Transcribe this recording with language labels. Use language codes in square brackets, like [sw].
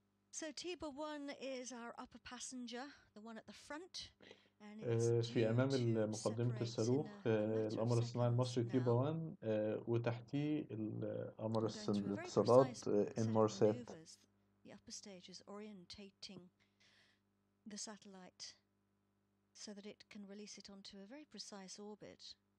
[en] So TIBA 1 is our upper passenger, the one at the front. [ar] في أمام مقدمة الصاروخ القمر الصناعي المصري طيبة 1 وتحتيه القمر الصناعي الاتصالات إنمارسات. [en] The upper stage is orientating the satellite so that it can release it onto a very precise orbit.